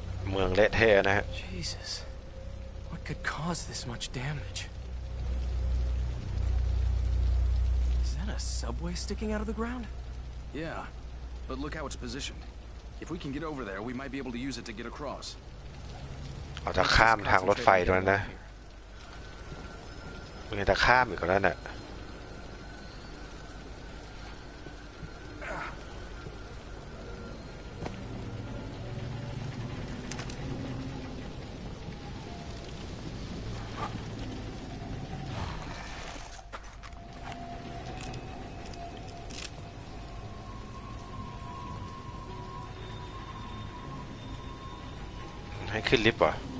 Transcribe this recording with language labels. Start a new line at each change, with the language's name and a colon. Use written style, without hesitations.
Thai: เมืองเละเทะนะฮะ
English: Jesus What could cause this much damage Is that a subway sticking out of the ground Yeah But look how it's positioned If we can get over there we might be able to use it to get across
Thai: เราจะข้ามทางรถไฟด้วยนะ มึงจะข้ามอีกแล้วน่ะให้ขึ้นลิฟต์ป่ะ